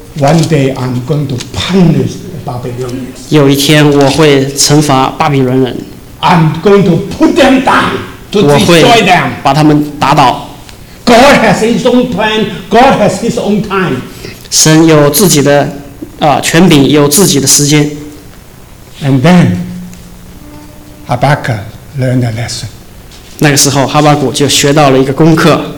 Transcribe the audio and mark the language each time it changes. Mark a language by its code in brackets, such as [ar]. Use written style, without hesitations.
[en] One day I'm going to punish the Babylonians. [zh] 有一天我会惩罚巴比伦人。 [en] I'm going to put them down, to destroy them. [zh] 我会把他们打倒。 [en] God has his own plan, God has his own time. [zh] 神有自己的权柄，有自己的时间。 [en] And then, Habakkuk learned a lesson. [zh] 那个时候，哈巴谷就学到了一个功课。